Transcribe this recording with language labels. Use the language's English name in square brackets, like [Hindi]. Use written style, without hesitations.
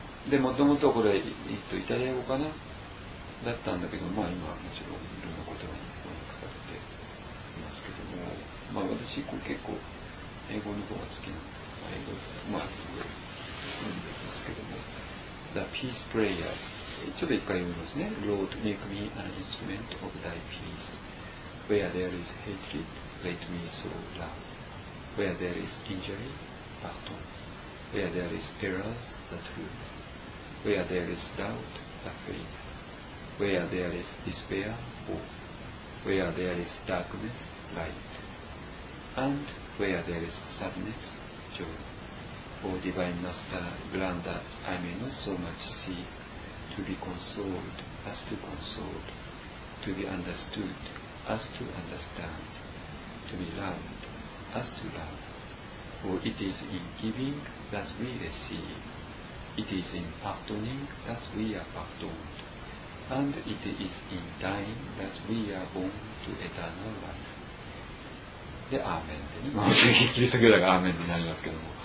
[Japanese] で、もともとこれ、イタリア語かなだったんだけど、まあ今はもちろんいろんな言葉に翻訳されていますけども、まあ私こう結構英語の方が好きなんで、まあ英語、まあ読んでいますけども、The Peace Prayer。ちょっと一回読みますね。 [English] Lord, make me an instrument of thy peace. Where there is hatred, let me sow love. Where there is injury, pardon. Where there is errors, the truth. Where there is doubt, the faith. Where there is despair, hope. Where there is darkness, light. And where there is sadness, joy. O Divine Master, grant that I may not so much seek to be consoled as to console, to be understood. As to understand, to be loved, as to love. For it is in giving that we receive, it is in pardoning that we are pardoned, and it is in dying that we are born to eternal life. [Japanese] で、アーメンでね。まあ、正直、キリストぐらいがアーメンになりますけども。